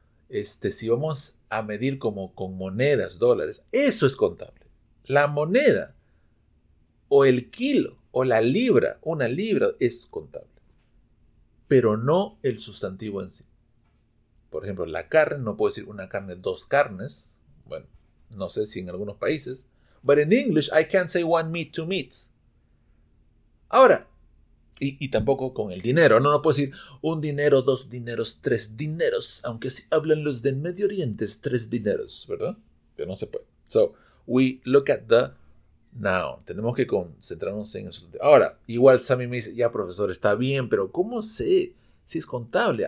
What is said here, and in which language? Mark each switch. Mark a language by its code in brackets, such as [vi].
[es] Si vamos a medir como con monedas, dólares, eso es contable. La moneda, o el kilo, o la libra, una libra, es contable. Pero no el sustantivo en sí. Por ejemplo, la carne, no puedo decir una carne, dos carnes. Bueno, no sé si en algunos países. [en] But in English, I can't say one meat, two meats. [es] Ahora, y tampoco con el dinero. No puedo decir un dinero, dos dineros, tres dineros. Aunque si hablan los del Medio Oriente, es tres dineros, ¿verdad? Que no se puede. [en] So, we look at the noun. [es] Tenemos que concentrarnos en eso. Ahora, igual Sammy me dice, ya profesor, está bien, pero ¿cómo sé si es contable?